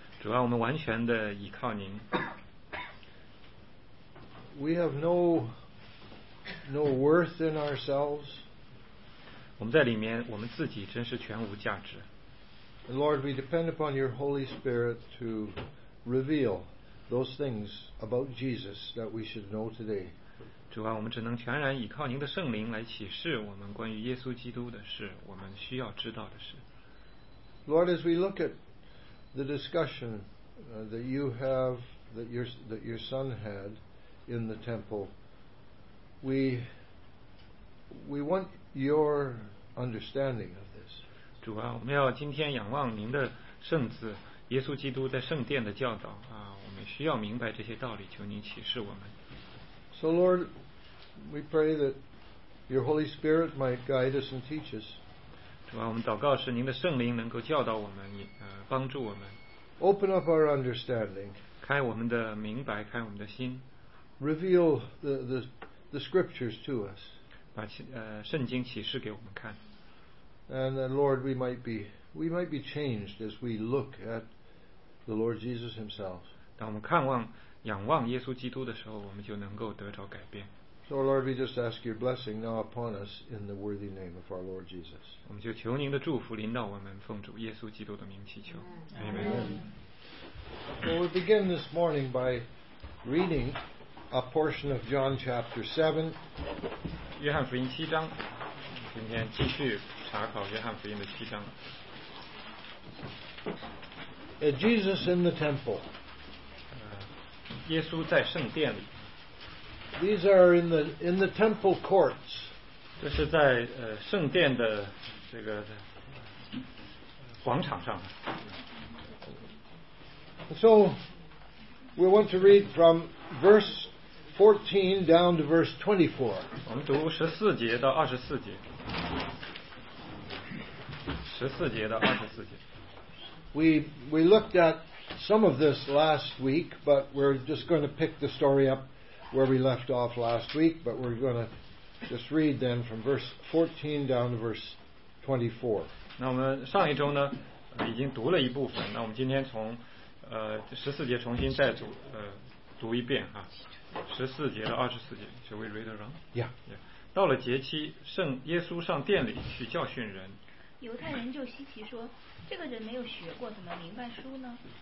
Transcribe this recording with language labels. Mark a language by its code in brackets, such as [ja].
[zh] 主啊，我们完全的依靠您。 [en] We have no worth in ourselves. [zh] 我们在里面，我们自己真是全无价值。 [en] And Lord, we depend upon your Holy Spirit to reveal those things about Jesus that we should know today. [zh] 主啊，我们只能全然依靠您的圣灵来启示我们关于耶稣基督的事，我们需要知道的事。 [en] Lord, as we look at the discussion that you have, that your son had in the temple, we want your understanding of this. [zh] 主啊，我们要今天仰望您的圣子耶稣基督在圣殿的教导啊，我们需要明白这些道理，求您启示我们。 [en] So Lord, we pray that your Holy Spirit might guide us and teach us. [zh] 主啊，我们祷告是您的圣灵能够教导我们，帮助我们。 [en] Open up our understanding. [zh] 开我们的明白，开我们的心。 [en] Reveal the scriptures to us. [zh] 把圣经启示给我们看。 [en] And then, Lord, we might be changed as we look at the Lord Jesus Himself. [zh] 当我们看望仰望耶稣基督的时候，我们就能够得着改变。 [en] So Lord, we just ask your blessing now upon us in the worthy name of our Lord Jesus. [zh] 我们就求您的祝福临到我们，奉主耶稣基督的名祈求。 [en] Amen. So we'll begin this morning by reading a portion of John chapter 7. [zh] 约翰福音七章，今天继续查考约翰福音的七章。 [en] Jesus in the temple. [zh] 耶稣在圣殿里。 [en] These are in the temple courts. [zh] 这是在圣殿的这个广场上。 [en] So we want to read from verse 14 down to verse 24. [zh] 我们读十四节到二十四节。十四节到二十四节。 [en] We looked at some of this last week, but we're just going to pick the story up where we left off last week, but we're going to just read then from verse 14 down to verse 24. [zh] 那我们上一周呢已经读了一部分，那我们今天从十四节重新再读一遍啊。十四节到二十四节， [en] shall we read around? Yeah. [zh] 到了节期，圣耶稣上殿里去教训人。犹太人就稀奇说，这个人没有学过，怎么明白书呢？